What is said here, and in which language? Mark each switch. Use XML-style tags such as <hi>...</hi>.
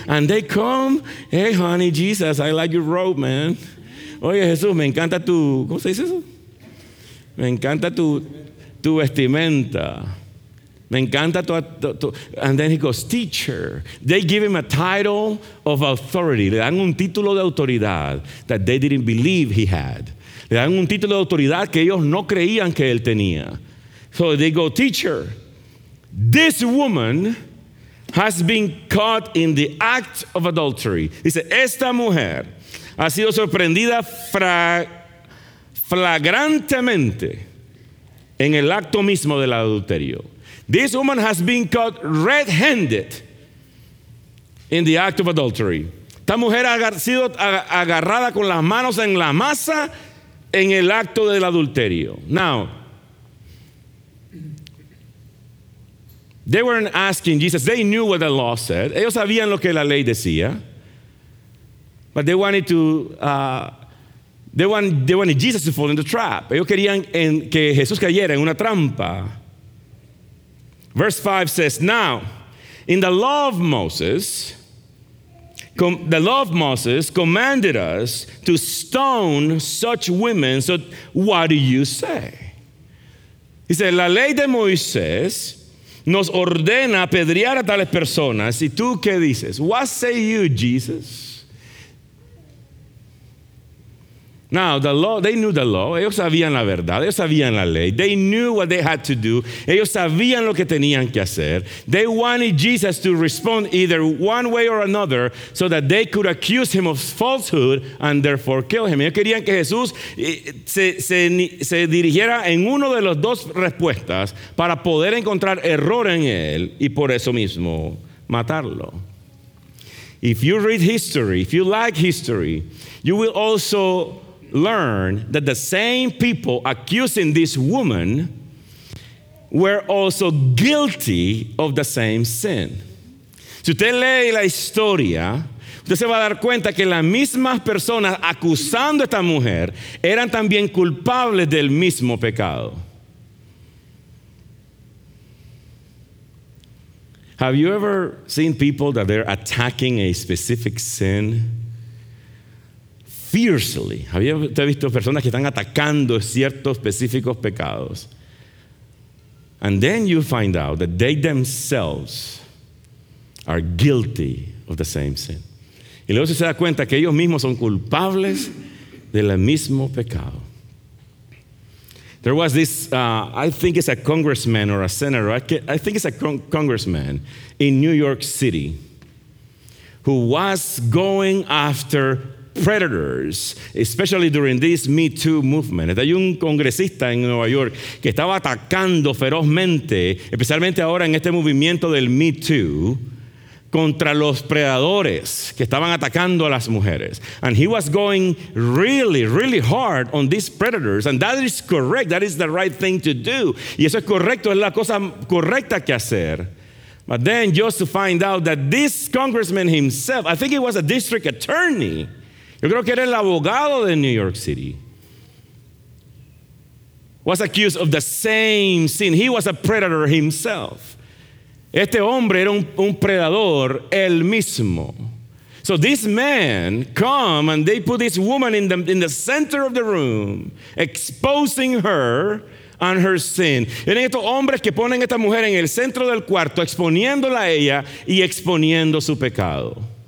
<en>And they come, hey honey, Jesus, I like your robe, man.</en> <es>Oye Jesús, me encanta tu, ¿cómo se dice eso? Me encanta tu vestimenta. Me encanta tu.</es> <en>And then he goes, teacher. They give him a title of authority.</en> <es>Le dan un título de autoridad</es> <en>that they didn't believe he had.</en> <es>Le dan un título de autoridad que ellos no creían que él tenía.</es> <en>So they go, teacher, this woman has been caught in the act of adultery.</en> <es>Dice, esta mujer ha sido sorprendida flagrantemente en el acto mismo del adulterio.</es> <en>This woman has been caught red-handed in the act of adultery.</en> <es>Esta mujer ha sido agarrada con las manos en la masa en el acto del adulterio.</es> <en>Now, they weren't asking Jesus. They knew what the law said.</en> <es>Ellos sabían lo que la ley decía.</es> <en>But they wanted to. They wanted Jesus to fall in the trap.</en> <es>Ellos querían que Jesús cayera en una trampa.</es> <en>Verse 5 says, now, in the law of Moses, the law of Moses commanded us to stone such women. So what do you say? He said,</en> <es>la ley de Moisés nos ordena apedrear a tales personas. ¿Y tú qué dices?</es> <en>What say you, Jesus? Now, the law, they knew the law.</en> <es>Ellos sabían la verdad. Ellos sabían la ley.</es> <en>They knew what they had to do.</en> <es>Ellos sabían lo que tenían que hacer.</es> <en>They wanted Jesus to respond either one way or another so that they could accuse him of falsehood and therefore kill him.</en> <es>Ellos querían que Jesús se dirigiera en uno de las dos respuestas para poder encontrar error en él y por eso mismo matarlo.</es> <en>If you read history, if you like history, you will also learn that the same people accusing this woman were also guilty of the same sin.</en> <es>Si usted lee la historia, usted se va a dar cuenta que las mismas personas acusando a esta mujer eran también culpables del mismo pecado.</es> <en>Have you ever seen people that they're attacking a specific sin fiercely?</en> <es>¿Había usted visto personas que están atacando ciertos específicos pecados?</es> <en>And then you find out that they themselves are guilty of the same sin.</en> <es>Y luego se da cuenta que ellos mismos son culpables del mismo pecado.</es> <en>There was this, I think it's a congressman or a senator, I think it's a congressman in New York City who was going after predators, especially during this Me Too movement.</en> <es>Hay un congresista en Nueva York que estaba atacando ferozmente, especialmente ahora en este movimiento del Me Too, contra los predadores que estaban atacando a las mujeres.</es> <en>And he was going really, really hard on these predators. And that is correct. That is the right thing to do.</en> <es>Y eso es correcto. Es la cosa correcta que hacer.</es> <en>But then just to find out that this congressman himself, I think he was a district attorney.</en> <es>Yo creo que era el abogado de New York City.</es> <en>Was accused of the same sin. He was a predator himself.</en> <es>Este hombre era un predador él mismo.</es> <en>So this man come and they put this woman in the center of the room, exposing her and her sin.</en> <es>Eran estos hombres que ponen a esta mujer en el centro del cuarto, exponiéndola a ella y exponiendo su pecado.</es>